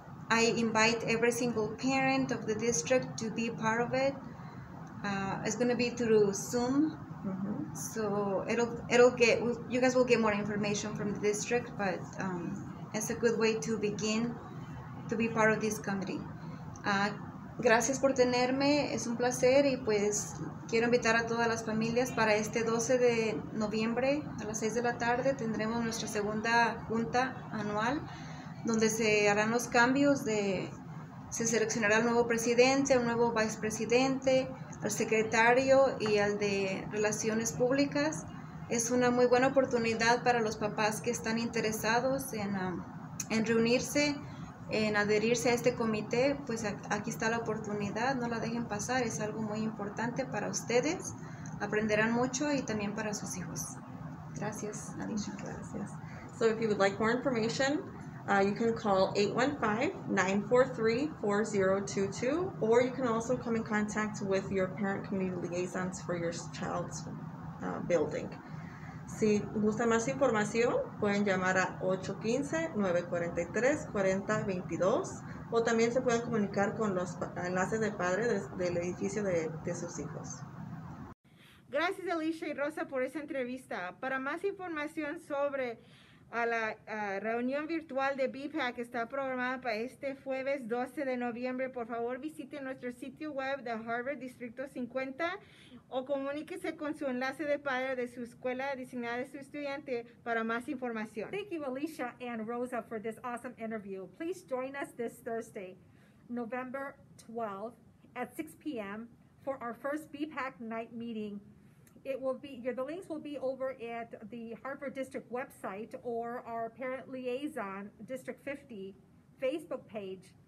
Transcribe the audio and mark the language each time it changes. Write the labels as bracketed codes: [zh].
[en] I invite every single parent of the district to be part of it. It's going to be through Zoom. Mm-hmm. So you guys will get more information from the district, but it's a good way to begin to be part of this committee. [es] Gracias por tenerme, es un placer y pues quiero invitar a todas las familias para este 12 de noviembre a las 6 de la tarde tendremos nuestra segunda junta anual donde se harán los cambios se seleccionará al nuevo presidente, al nuevo vicepresidente, al secretario y al de relaciones públicas. Es una muy buena oportunidad para los papás que están interesados en reunirse, en adherirse a este comité, pues aquí está la oportunidad, no la dejen pasar, es algo muy importante para ustedes, aprenderán mucho y también para sus hijos. Gracias, Alicia. Gracias. [en] So if you would like more information, you can call 815-943-4022, or you can also come in contact with your parent community liaisons for your child's building. [es] Si gusta más información, pueden llamar a 815-943-4022 o también se pueden comunicar con los enlaces de padre del edificio de sus hijos. Gracias, Alicia y Rosa, por esa entrevista. Para más información sobre la reunión virtual de BPAC que está programada para este jueves 12 de noviembre, por favor visite nuestro sitio web de Harvard Distrito 50 o comuníquese con su enlace de padre de su escuela designada de su estudiante para más información. [en] Thank you, Alicia and Rosa, for this awesome interview. Please join us this Thursday, November 12th at 6 p.m. for our first BPAC night meeting. The links will be over at the Harvard District website or our parent liaison, District 50, Facebook page.